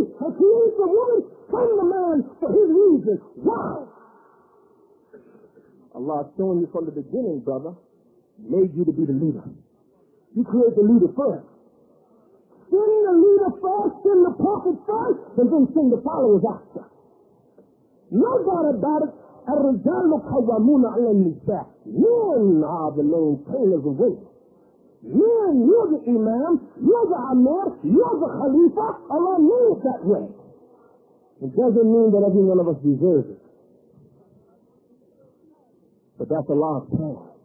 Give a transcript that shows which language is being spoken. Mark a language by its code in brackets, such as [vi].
[en] And create the woman from the man for his reason. Why? Allah is showing you from the beginning, brother, made you to be the leader. You create the leader first. Send the leader first, send the prophet first, and then send the followers after. No doubt about it. [ar] الرجال قوامون على النساء. [en] Men are the maintainers of women. Men, you're the imam, you're the amir, you're the khalifa. Allah made it that way. It doesn't mean that every one of us deserves it. But that's Allah's plan.